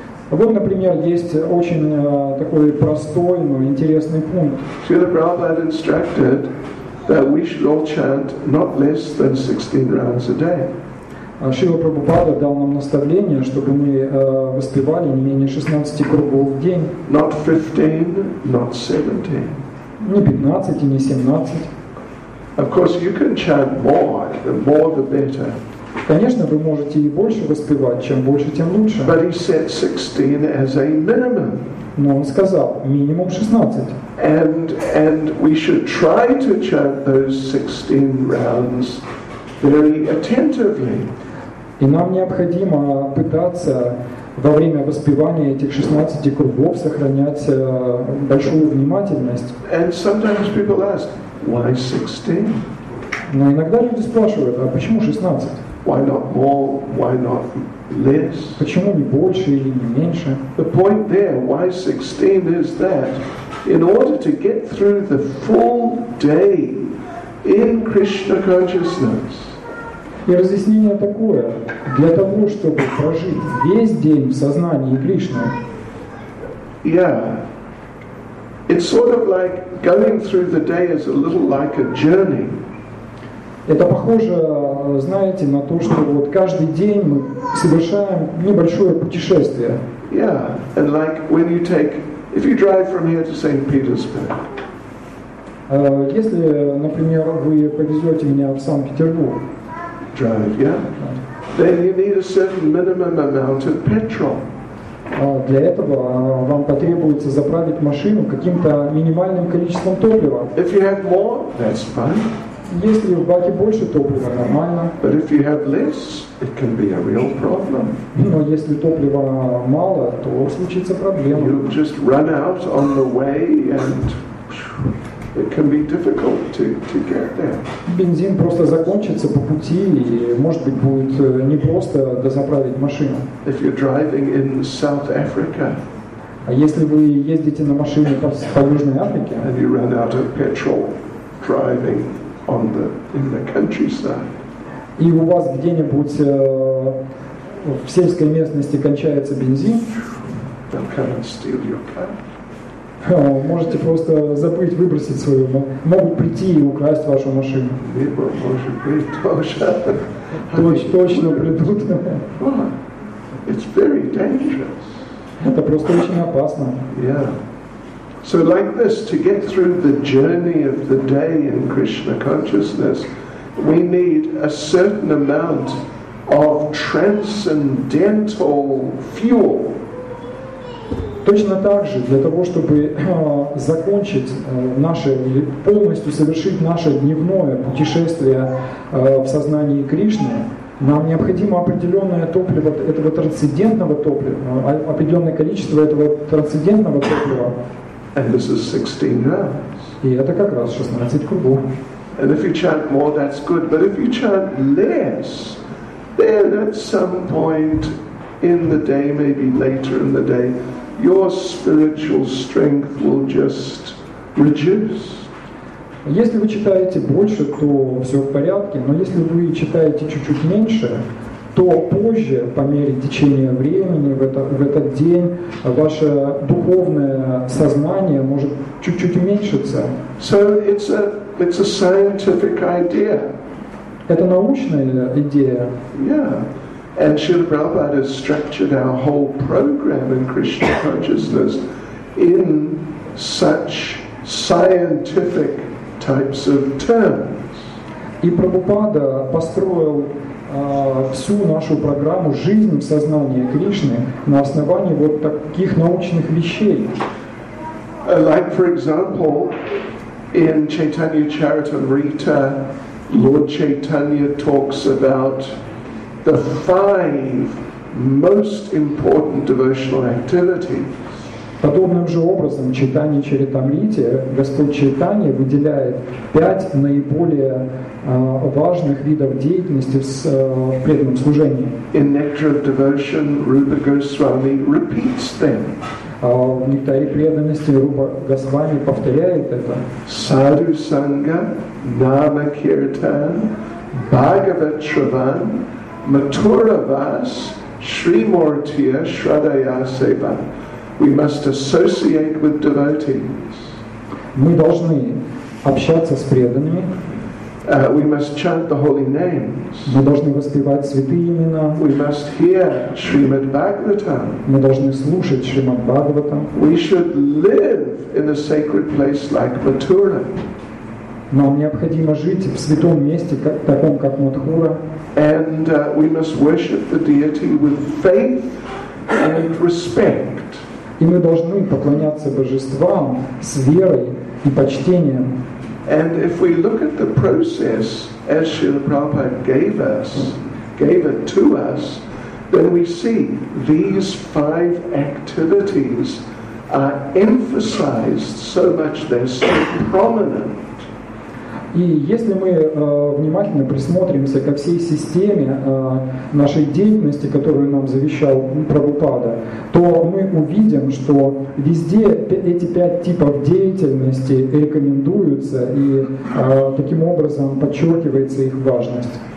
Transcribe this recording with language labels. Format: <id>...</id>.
<ru>Вот, например, есть очень такой простой, но интересный пункт.</ru> <en>Srila Prabhupada instructed that we should all chant not less than 16 rounds a day.</en> <ru>Шрила Прабхупада дал нам наставление, чтобы мы воспевали не менее 16 кругов в день.</ru> <en>Not 15, not 17.</en> <ru>Не 15 и не 17.</ru> <en>Of course, you can chant more the better.</en> <ru>Конечно, вы можете и больше воспевать, чем больше, тем лучше.</ru> <en>But he said 16 as a minimum.</en> <ru>Но он сказал, минимум 16.</ru> <en>And we should try to chant those 16 rounds very attentively.</en> <ru>И нам необходимо пытаться во время воспевания этих 16 кругов сохранять большую внимательность.</ru> <en>And sometimes people ask, why 16?</en> <ru>Но иногда люди спрашивают, а почему 16?</ru> <en>Why not more? Why not less?</en> <ru>Почему не больше или не меньше?</ru> <en>The point there, why 16, is that in order to get through the full day in Krishna consciousness.</en> <ru>И разъяснение такое, для того, чтобы прожить весь день в сознании Кришны.</ru> <en>Yeah. It's sort of like going through the day is a little like a journey.</en> <ru>Это похоже, знаете, на то, что вот каждый день мы совершаем небольшое путешествие.</ru> <en>Yeah. And like when you take, if you drive from here to St. Petersburg.</en> <ru>Если, например, вы повезете меня в Санкт-Петербург.</ru> <en>Drive, yeah. Then you need a certain minimum amount of petrol.</en> <ru>Для этого вам потребуется заправить машину каким-то минимальным количеством топлива.</ru> <en>If you have more, that's fine.</en> <ru>Если в баке больше топлива, нормально.</ru> <en>But if you have less, it can be a real problem.</en> <ru>Но если топлива мало, то случится проблема.</ru> <en>You just run out on the way and. It can be difficult to get there.</en> <ru>Бензин просто закончится по пути, и, может быть, будет непросто дозаправить машину.</ru> <en>If you're driving in South Africa,</en> <ru>а если вы ездите на машине по Южной Африке,</ru> <en>and you run out of petrol driving on the in the countryside,</en> <ru>и у вас где-нибудь в сельской местности кончается бензин,</ru> <en>they'll come and steal your car.</en> <ru>Можете просто забыть выбросить свою, могут прийти и украсть вашу машину. Либо, может быть, тоже. Точно придут.</ru> <en>It's very dangerous.</en> <ru>Это просто очень опасно.</ru> <en>Yeah. So like this, to get through the journey of the day in Krishna consciousness, we need a certain amount of transcendental fuel.</en> <ru>Точно так же, для того, чтобы закончить наше, или полностью совершить наше дневное путешествие в сознании Кришны, нам необходимо определенное топливо, этого трансцендентного топлива, определенное количество этого трансцендентного топлива.</ru> <en>And this is 16 rounds.</en> <ru>И это как раз 16 кругов.</ru> <en>And if you chant more, that's good. But if you chant less, then at some point in the day, maybe later in the day, your spiritual strength will just reduce.</en> <ru>Если вы читаете больше, то все в порядке, но если вы читаете чуть-чуть меньше, то позже, по мере течения времени, в этот день, ваше духовное сознание может чуть-чуть уменьшиться.</ru> <en>So it's a scientific idea.</en> <ru>Это научная идея.</ru> <en>Yeah. And Srila Prabhupada has structured our whole program in Krishna consciousness in such scientific types of terms.</en> <ru>И Прабхупада построил всю нашу программу жизни в сознании Кришны на основании вот таких научных вещей.</ru> <en>Like, for example, in Chaitanya Charitamrita, Lord Chaitanya talks about the five most important devotional activities.</en> <ru>Подобным же образом в Чайтанья Чаритамрите Господь Чайтанья выделяет пять наиболее важных видов деятельности в преданном служении.</ru> <en>In Nectar of Devotion, Rupa Goswami repeats them.</en> <ru>В Нектаре преданности Рупа Госвами повторяет это.</ru> <sa>Sadhu Sangha, Nama Kirtan, Bhagavat Shravan, Mathura Vas, Shri Murtiya, Shradaya Seva.</sa> <en>We must associate with devotees.</en> <ru>Мы должны общаться с преданными.</ru> <en>We must chant the holy names.</en> <ru>Мы должны воспевать святые имена.</ru> <en>We must hear Srimad Bhagavatam.</en> <ru>Мы должны слушать Шримад Бхагаватам.</ru> <en>We should live in a sacred place like Mathura.</en> <ru>Нам необходимо жить в святом месте, как, таком как Мадхура.</ru> <en>And we must worship the deity with faith and respect.</en> <ru>И мы должны поклоняться божествам с верой и почтением.</ru> <en>And if we look at the process as Srila Prabhupada gave it to us, then we see these five activities are emphasized so much, they're so prominent.</en> <ru>И если мы внимательно присмотримся ко всей системе нашей деятельности, которую нам завещал Прабхупада, то мы увидим, что везде эти пять типов деятельности рекомендуются, и таким образом подчеркивается их важность.</ru>